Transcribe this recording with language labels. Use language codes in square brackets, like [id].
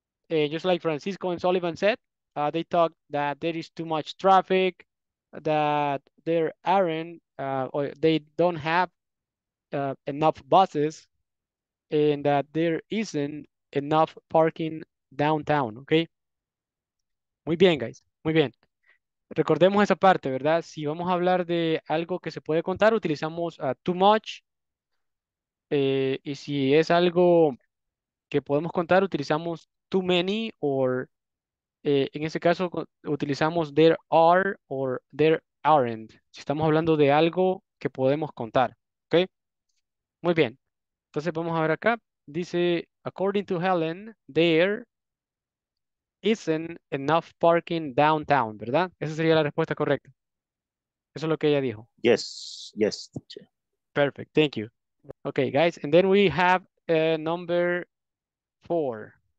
[en] Just like Francisco and Sullivan said, they talked that there is too much traffic, that there aren't, or they don't have enough buses, and that there isn't enough parking downtown, okay? [es] Muy bien, guys. Muy bien. Recordemos esa parte, ¿verdad? Si vamos a hablar de algo que se puede contar, utilizamos too much. Y si es algo que podemos contar, utilizamos too many, or en ese caso utilizamos there are or there aren't. Si estamos hablando de algo que podemos contar, ¿ok? Muy bien. Entonces vamos a ver acá. [en] Dice, according to Helen, there isn't enough parking downtown, ¿verdad? [es] Esa sería la respuesta correcta. Eso es lo que ella dijo. [en] Yes, yes. Perfect, thank you. Okay, guys, and then we have number 4.